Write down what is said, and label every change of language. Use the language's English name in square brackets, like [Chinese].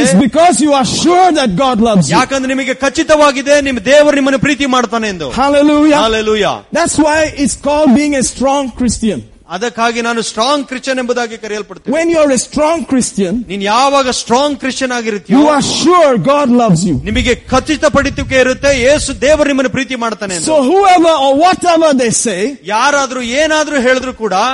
[English] it's because you are sure that God loves you. [Kannada] ಯಾಕಂದ್ರೆ ನಿಮಗೆ ಖಚಿತವಾಗಿದೆ ನಿಮ್ಮ ದೇವರು ನಿಮ್ಮನ್ನು ಪ್ರೀತಿ ಮಾಡ್ತಾನೆ ಎಂದು. Hallelujah. Hallelujah. [English] That's why it's called being a strong Christian. [Kannada] ಅದಕ್ಕಾಗಿ ನಾನು ಸ್ಟ್ರಾಂಗ್ ಕ್ರಿಶ್ಚಿಯನ್ ಎಂಬುದಾಗಿ ಕರೆಯಲ್ಪಡುತ್ತೆ. [English] when you are a strong Christian, [Kannada] ನೀನ್ ಯಾವಾಗ ಸ್ಟ್ರಾಂಗ್ ಕ್ರಿಶ್ಚಿಯನ್ ಆಗಿರುತ್ತೆ, [English] you are sure God loves you, [Kannada] ನಿಮಗೆ ಖಚಿತ ಪಡಿತಿಕೆ ಇರುತ್ತೆ, ಯೇಸು ದೇವರು ನಿಮ್ಮನ್ನು ಪ್ರೀತಿ ಮಾಡ್ತಾನೆ. [English] so whoever or whatever they say, [Kannada] ಯಾರಾದರೂ ಏನಾದರೂ ಹೇಳಿದ್ರು ಕೂಡ